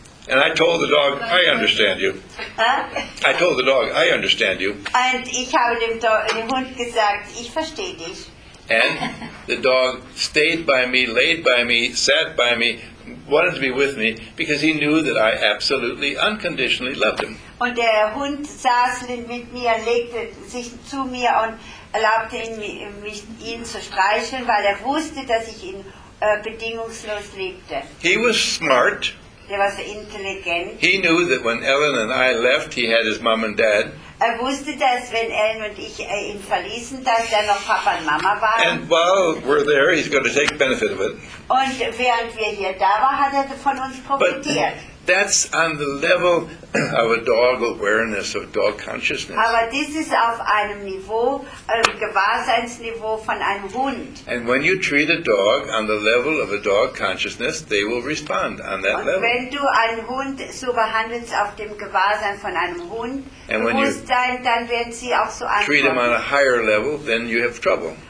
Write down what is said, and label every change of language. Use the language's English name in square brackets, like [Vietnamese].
[English] And I told the dog, I understand you. I told the dog, I understand you. [German] Und ich habe dem Hund gesagt, ich verstehe dich. [English] And the dog stayed by me, laid by me, sat by me, wanted to be with me, because he knew that I absolutely, unconditionally loved him. [German] Und der Hund saß mit mir, legte sich zu mir und erlaubte ihn zu streicheln, weil er wusste, dass ich ihn bedingungslos liebte. [English] He was smart. [German] Der war so intelligent. [English] He knew that when Ellen and I left, he had his mom and dad. [German] Er wusste, dass wenn Ellen und ich ihn verließen, dass er noch Papa und Mama waren. [English] And while we're there, he's going to take benefit of it. [German] Und während wir hier da waren, hat er von uns profitiert. [English] But that's on the level of a dog awareness, of dog consciousness. [German] Aber das ist auf einem Niveau, Gewahrseinsniveau von einem Hund. [English] And when you treat a dog on the level of a dog consciousness, they will respond on that [German] und [English] level. [German] Wenn du einen Hund so behandelst auf dem Gewahrsein von einem Hund, Bewusstsein, dann werden sie auch so antworten. [English] Treat them on a higher level, then you have trouble.